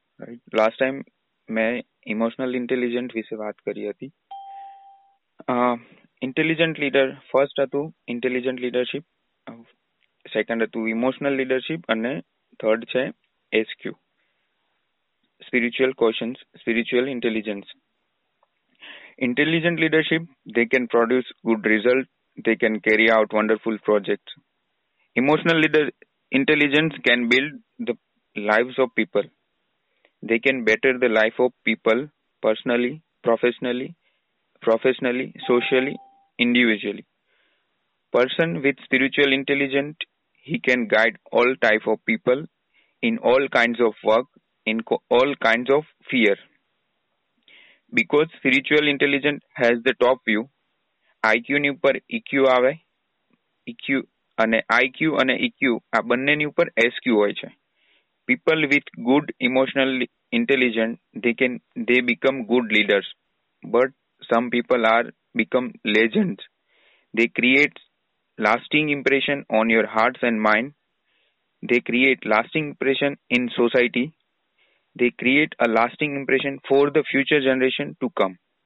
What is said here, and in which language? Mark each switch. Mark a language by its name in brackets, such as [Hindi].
[Gujarati] Right, last time મેં emotional intelligent વિશે વાત કરી હતી. ઇન્ટેલિજન્ટ લીડર ફર્સ્ટ હતું ઇન્ટેલિજન્ટ લીડરશીપ, સેકન્ડ હતું ઇમોશનલ લીડરશીપ, અને થર્ડ છે SQ, spiritual questions, spiritual intelligence. [English] Intelligent leadership, they can produce good result, they can carry out wonderful projects. Emotional leader intelligence can build the lives of people. They can better the life of people personally, professionally, socially, individually. Person with spiritual intelligent, he can guide all type of people in all kinds of work, in all kinds of fear. Because spiritual intelligence has the top view, [Gujarati] IQ ની ઉપર EQ આવે, EQ અને IQ અને EQ આ બંને ની ઉપર SQ હોય છે. [English] People with good emotional intelligence, they become good leaders, but some people are become legends. They create lasting impression on your hearts and mind. They create lasting impression in society. They create a lasting impression for the future generation to come.